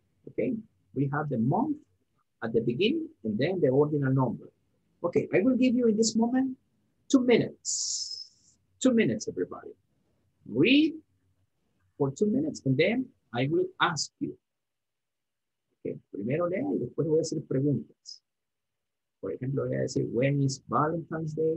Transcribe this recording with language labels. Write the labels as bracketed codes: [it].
[en] Okay, we have the month at the beginning and then the ordinal number. Okay, I will give you in this moment 2 minutes. 2 minutes, everybody. Read for 2 minutes and then I will ask you. [es] Okay, primero lea y después voy a hacer preguntas. [en] For example, I say, when is Valentine's Day?